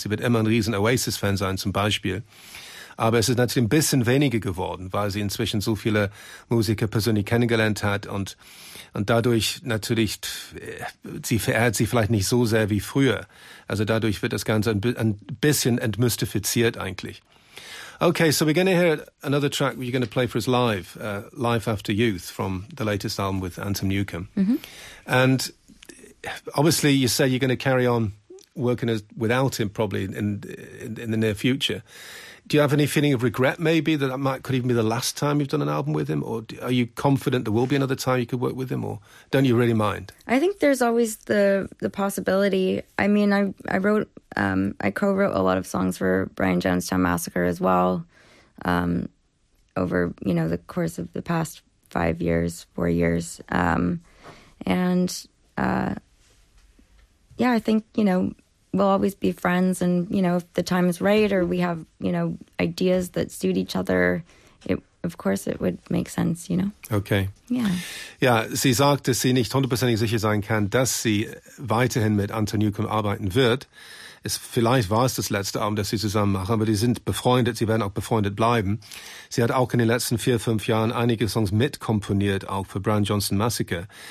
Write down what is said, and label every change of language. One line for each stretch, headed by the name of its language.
German: Sie wird immer ein riesen Oasis-Fan sein, zum Beispiel. Aber es ist natürlich ein bisschen weniger geworden, weil sie inzwischen so viele Musiker persönlich kennengelernt hat und dadurch natürlich, sie verehrt sie vielleicht nicht so sehr wie früher. Also dadurch wird das Ganze ein bisschen entmystifiziert eigentlich.
English: Okay, so we're going to hear another track you're going to play for us live, Life After Youth, from the latest album with Anton Newcombe. Mm-hmm. And obviously you say you're going to carry on working without him probably in the near future. Do you have any feeling of regret, maybe, that that might could even be the last time you've done an album with him? Or are you confident there will be another time you could work with him? Or don't you really mind? I think there's always the possibility. I mean, I co-wrote a lot of songs for Brian Jonestown Massacre as well over, you know, the course of the past 5 years, 4 years. I think, you know, we'll always be friends, and you know, if the time is right or we have, you know, ideas that suit each other, of course it would make sense, you know. Okay. Yeah.
German: Sie sagt, dass sie nicht hundertprozentig sicher sein kann, dass sie weiterhin mit Anton Newcombe arbeiten wird. Vielleicht war es das letzte Album, das sie zusammen machen, aber die sind befreundet, sie werden auch befreundet bleiben. Sie hat auch in den letzten 4-5 Jahren einige Songs mitkomponiert, auch für Brian Johnson Massacre.